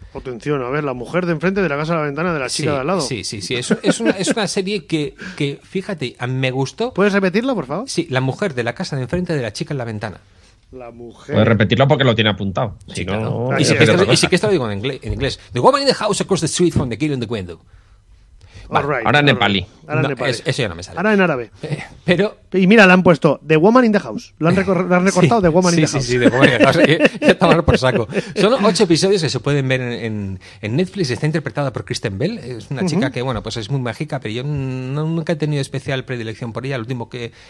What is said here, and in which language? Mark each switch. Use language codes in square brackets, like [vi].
[es] Atención, a ver, la mujer de enfrente de la casa de la ventana de la chica sí, de al lado. Sí. Es una serie que, fíjate, me gustó. ¿Puedes repetirla, por favor? Sí, la mujer de la casa de enfrente de la chica en la ventana. La mujer. Puedes repetirlo porque lo tiene apuntado. Si no, y sí que esto lo digo en inglés. [en] The woman in the house across the street from the girl in the window. [es] Vale, right, ahora en nepalí. Eso ya no me sale. Ahora en árabe. Pero, y mira, le han puesto The woman in the house. Lo han recortado sí, The woman sí, [en] in the house. [es] Sí, The woman in the house. Ya está mal por saco. Son 8 episodios que se pueden ver en Netflix. Está interpretada por Kristen Bell. Es una chica que, bueno, pues es muy mágica, pero yo nunca he tenido especial predilección por ella. El último que...